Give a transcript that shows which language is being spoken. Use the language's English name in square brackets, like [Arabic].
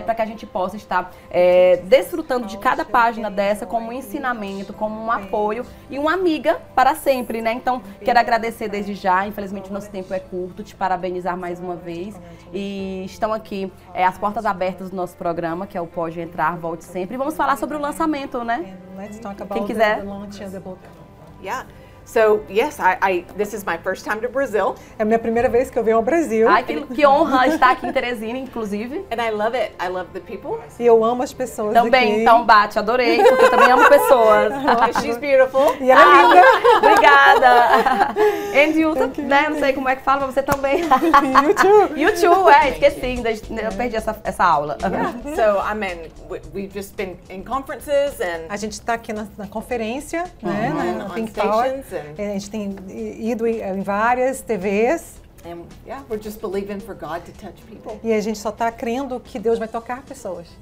[Portuguese] Para que a gente possa estar desfrutando de cada página dessa como um ensinamento, como um apoio e uma amiga para sempre, né? Então, quero agradecer desde já. Infelizmente, nosso tempo é curto. Te parabenizar mais uma vez. E estão aqui as portas abertas do nosso programa, que é o Pode Entrar, Volte Sempre. E vamos falar sobre o lançamento, né? Quem quiser. [English] Yeah. So, yes, this is my first time to Brazil. [Portuguese] É a minha primeira vez que eu venho ao Brasil. Ai, que honra estar aqui em Teresina, inclusive. [English] And I love it. I love the people. [Portuguese] E eu amo as pessoas também, aqui. Então bate, adorei, porque eu também amo pessoas. [English] She's beautiful. [Portuguese] E ela é linda. Obrigada. [English] And you, [Portuguese] né, não sei como é que fala, mas você também. [English] You too, [Portuguese] esqueci, eu perdi essa aula. [English] Yeah. So, I mean, we've just been in conferences and... [Portuguese] A gente tá aqui na conferência, né, na Think Power. A gente tem ido em várias TVs. [English] And, yeah, we're just believing for God to touch people. [Portuguese] E a gente só está crendo que Deus vai tocar pessoas.